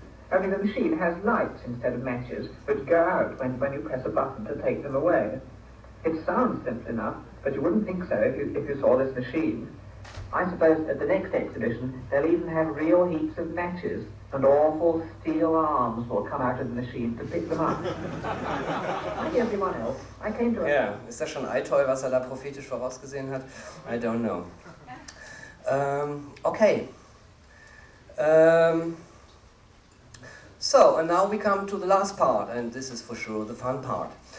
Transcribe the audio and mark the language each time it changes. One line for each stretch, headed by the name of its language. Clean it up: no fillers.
English: Only the machine has lights instead of matches, which go out when you press a button to take them away. It sounds simple enough, but you wouldn't think so if you saw this machine. I suppose at the next exhibition, they'll even have real heaps of matches, and awful steel arms will come out of the machine to pick them up. Like everyone else, I came to...
German: Yeah, ist das schon Eitoi, was er da prophetisch vorausgesehen hat?
English: I don't know. Okay. So, and now we come to the last part, and this is for sure the fun part.